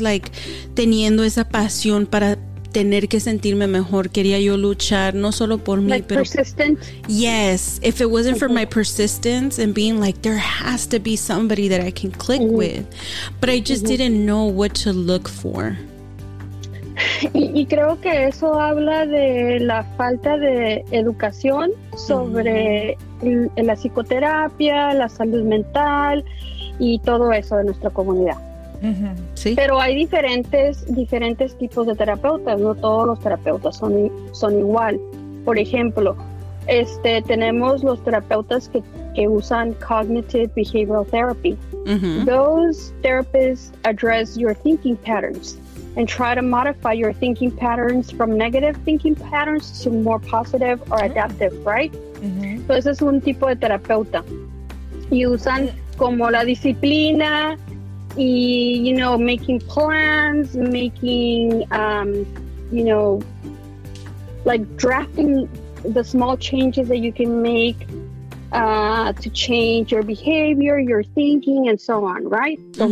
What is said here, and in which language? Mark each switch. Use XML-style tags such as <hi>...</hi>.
<es>Like, teniendo esa pasión para tener que sentirme mejor, quería yo luchar no solo por mí, like, pero persistent.</es> <en>Yes, if it wasn't for my persistence and being like, there has to be somebody that I can click mm-hmm. with, but I just mm-hmm. didn't know what to look for.</en> <es>Y creo que eso habla de la falta de educación sobre mm-hmm. la psicoterapia, la salud mental y todo eso de nuestra comunidad. Uh-huh. ¿Sí? Pero hay diferentes tipos de terapeutas, no todos los terapeutas son igual. Por ejemplo, tenemos los terapeutas que usan cognitive behavioral therapy. Uh-huh.</es> <en>Those therapists address your thinking patterns and try to modify your thinking patterns from negative thinking patterns to more positive or adaptive, uh-huh. right? Uh-huh.</en> <es>Entonces es un tipo de terapeuta y usan como la disciplina.</es> <en>Y, you know, making plans, making, you know, like drafting the small changes that you can make to change your behavior, your thinking, and so on, right? So mm-hmm.</en>